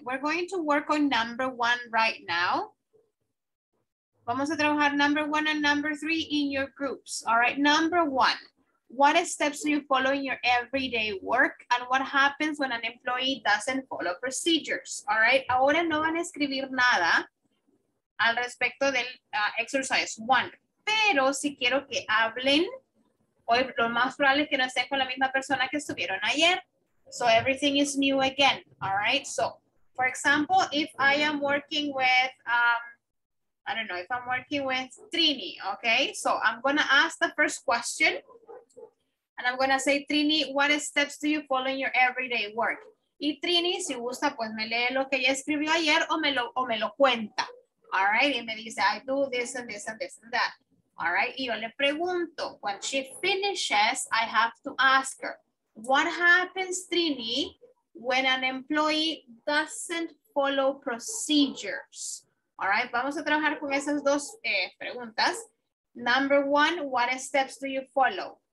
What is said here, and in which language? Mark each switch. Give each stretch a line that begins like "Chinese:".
English: We're going to work on number one right now.
Spanish: Vamos a trabajar
English: number one and number three in your groups. All right, number one, what steps do you follow in your everyday work and what happens when an employee doesn't follow procedures?
Spanish: All right, ahora no van a escribir nada al respecto del exercise one, pero si quiero que hablen. Hoy lo más probable es que no estén con la misma persona que estuvieron ayer.
English: So everything is new again, all right? So, for example, if I am working with, I don't know, if I'm working with Trini, okay? So I'm gonna ask the first question and I'm gonna say, Trini, what steps do you follow in your everyday work?
Spanish: Y Trini, si gusta, pues me lee lo que ella escribió ayer o me lo cuenta, all right? Y me dice,
English: I do this and this and this and that. All right,
Spanish: y yo le pregunto,
English: when she finishes, I have to ask her, what happens, Trini, when an employee doesn't follow procedures? All right,
Spanish: vamos a trabajar con esas dos preguntas.
English: Number one, what steps do you follow?